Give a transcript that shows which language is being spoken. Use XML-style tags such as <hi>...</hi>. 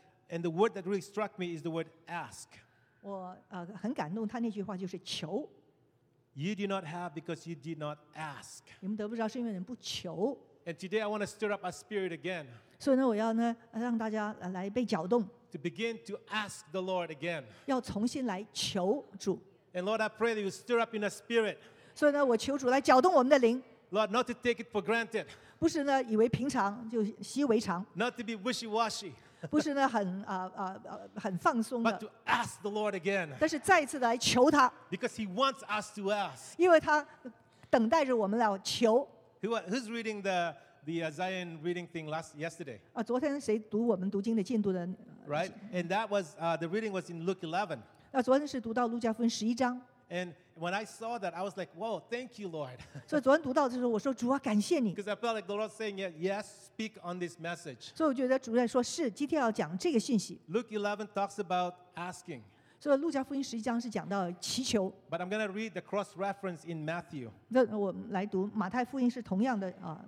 <en>And the word that really struck me is the word ask.</en> <zh>我很感动他那句话就是求。</zh> <en>You do not have because you did not ask.</en> <zh>你们得不着是因为你们不求。</zh> <en>And today I want to stir up our spirit again.</en> <zh>所以呢，我要呢让大家来被搅动。</zh> <en>To begin to ask the Lord again.</en> <zh>要重新来求主。</zh> <en>And Lord, I pray that you stir up in our spirit.</en> <zh>所以呢，我求主来搅动我们的灵。</zh> <en>Lord, not to take it for granted.</en> <zh>不是呢，以为平常就习以为常。</zh> <en>Not to be wishy-washy.</en> <zh>不是呢，很放松的。</zh> <en>But to ask the Lord again.</en> <zh>但是再一次来求他。</zh> <en>Because He wants us to ask.</en> <zh>因为他等待着我们来求。</zh> <en>Who's reading the Zion reading thing yesterday?</en> <zh>昨天谁读我们读经的进度的？</zh> <en>Right, and that was the reading was in Luke 11.</en> <zh>那昨天是读到路加福音十一章。</zh> <en>And when I saw that, I was like, "Whoa, thank you, Lord."</en> <zh>所以昨天读到的时候，我说主啊，感谢你。</zh> <en>Because I felt like the Lord saying, "Yes, speak on this message."</en> <zh>所以我觉得主在说，是今天要讲这个信息。</zh> <en>Luke 11 talks about asking.</en> <zh>所以路加福音十一章是讲到祈求。</zh> <en>But I'm going to read the cross reference in Matthew.</en> <zh>那我们来读马太福音是同样的啊。</zh>